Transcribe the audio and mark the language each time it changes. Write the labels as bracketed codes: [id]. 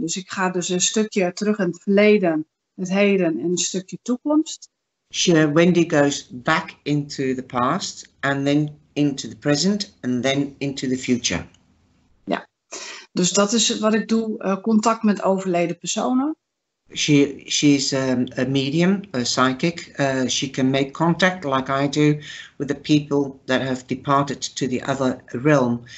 [nl] Dus ik ga dus een stukje terug in het verleden, het heden en een stukje toekomst. [en] Sure, Wendy goes back into the past and then into the present and then into the future. [nl] Ja, dus dat is wat ik doe, contact met overleden personen. [en] She's a medium, a psychic. She can make contact, like I do, with the people that have departed to the other realm.